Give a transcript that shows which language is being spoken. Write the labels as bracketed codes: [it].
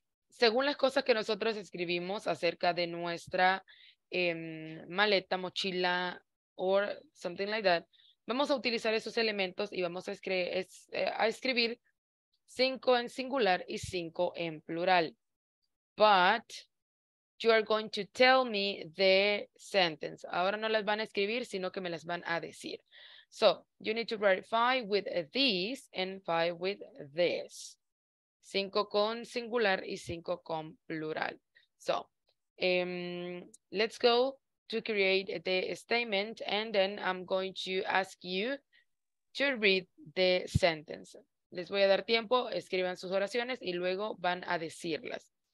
[es] Según las cosas que nosotros escribimos acerca de nuestra maleta, mochila, [en] or something like that, [es] vamos a utilizar esos elementos y vamos a escribir 5 en singular y 5 en plural. [en] But you are going to tell me the sentence. [es] Ahora no las van a escribir, sino que me las van a decir. [en] So, you need to write 5 with these and 5 with this. [es] 5 con singular y 5 con plural. [en] So, let's go to create the statement, and then I'm going to ask you to read the sentence. [es] Les voy a dar tiempo, escriban sus oraciones y luego van a decirlas.